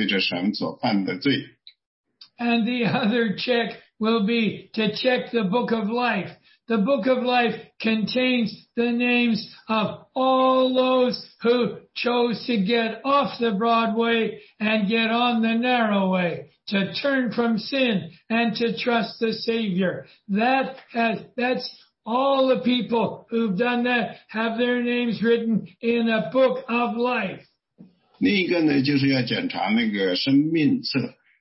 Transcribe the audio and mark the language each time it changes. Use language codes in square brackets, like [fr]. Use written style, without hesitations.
[zh] 然后呢，在那个白色大宝座的那个跟前呢，实际上当时有两项活动。第一项呢，就是说去检查那些人所有的罪过，他对着神所犯的罪。 [en] And the other check will be to check the book of life. The book of life contains the names of all those who chose to get off the broad way and get on the narrow way, to turn from sin and to trust the Savior. That's all the people who've done that have their names written in a book of life. [zh] 另一个呢，就是要检查那个生命册。